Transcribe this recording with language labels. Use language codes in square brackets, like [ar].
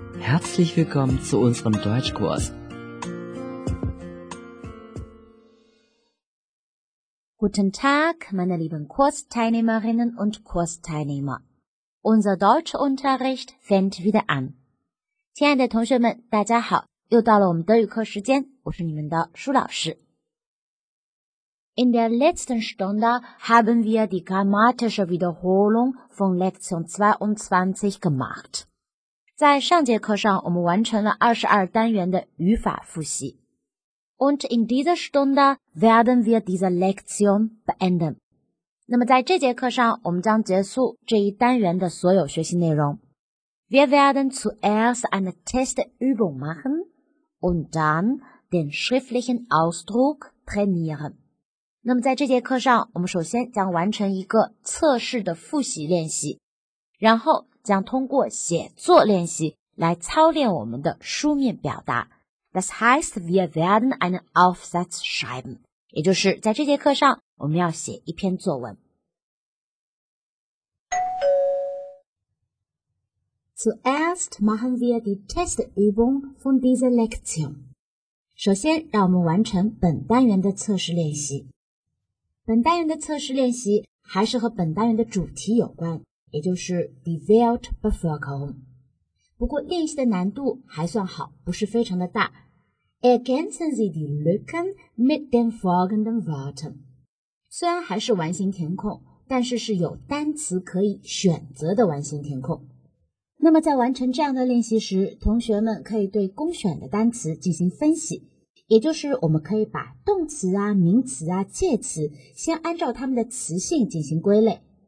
[de] Herzlich willkommen zu unserem Deutschkurs. Guten Tag, meine lieben Kursteilnehmerinnen und Kursteilnehmer. Unser Deutschunterricht fängt wieder an. [zh] 亲爱的同学们，大家好，又到了我们德语课时间，我是你们的舒老师。 [de] In der letzten Stunde haben wir die grammatische Wiederholung von Lektion 22 gemacht. [zh] 在上节课上，我们完成了22单元的语法复习。 [de] Und in dieser Stunde werden wir diese Lektion beenden. [zh] 那么在这节课上，我们将结束这一单元的所有学习内容。 [de] Wir werden zuerst eine Testübung machen und dann den schriftlichen Ausdruck trainieren. [zh] 那么在这节课上，我们首先将完成一个测试的复习练习，然后将通过写作练习来操练我们的书面表达。 [de] Das heißt, wir werden einen Aufsatz schreiben. [zh] 也就是在这节课上，我们要写一篇作文。 [de] Zuerst machen wir die Testübung von dieser Lektion. [zh] 首先，让我们完成本单元的测试练习。本单元的测试练习还是和本单元的主题有关，也就是 die Weltbevölkerung。不过练习的难度还算好，不是非常的大。 [de] Ergänzen Sie die Lücken mit den folgenden Worten。 [zh] 虽然还是完形填空，但是是有单词可以选择的完形填空。那么在完成这样的练习时，同学们可以对公选的单词进行分析。也就是我们可以把动词啊、名词啊、介词先按照它们的词性进行归类。